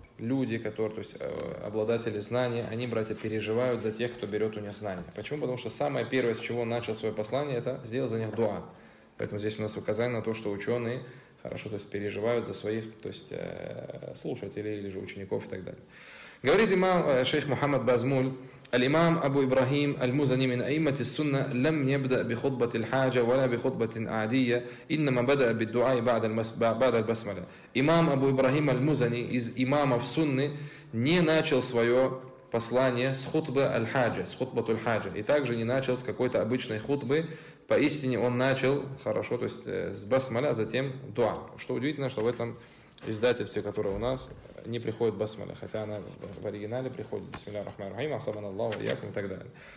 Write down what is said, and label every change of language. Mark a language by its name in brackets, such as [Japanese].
[Russian] люди, которые, то есть обладатели знаний, они, братья, переживают за тех, кто берет у них знания. Почему? Потому что самое первое, с чего начал свое послание, это сделать за них дуа. Поэтому здесь у нас указание на то, что ученые хорошо, то есть, переживают за своих, то есть слушателей или же учеников и так далее. Говорит имам шейх Мухаммад Базмуль, [Arabic] الإمام أبو إبراهيم المزني من أئمة السنة لم يبدأ بخطبة الحاجة ولا بخطبة عادية إنما بدأ بالدعاء بعد البسملة. إمام أبو إبراهيم المزني [Russian] из имамов сунны не начал свое послание с خطبة الحاجة, с خطبة الحاجة, и также не начал с какой-то обычной خطبы. Поистине он начал хорошо, то есть с басмала, затем дуа. Что удивительно, что в этом издательстве, которое у нас, не приходит басмала, хотя она в оригинале приходит бисмилляхи рахмани рахим, асабана Аллаху ияку и так далее.